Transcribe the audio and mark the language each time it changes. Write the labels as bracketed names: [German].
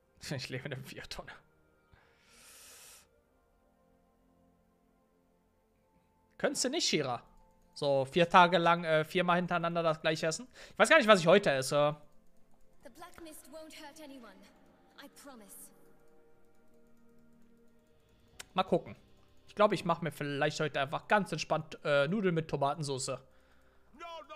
[German] Ich lebe in der Biertonne. Könntest du nicht, Shira? So 4 Tage lang, 4 Mal hintereinander das gleiche essen? Ich weiß gar nicht, was ich heute esse. [English] The Black Mist won't hurt anyone. I promise. [German] Mal gucken. Ich glaube, ich mache mir vielleicht heute einfach ganz entspannt Nudeln mit Tomatensauce. [English] No.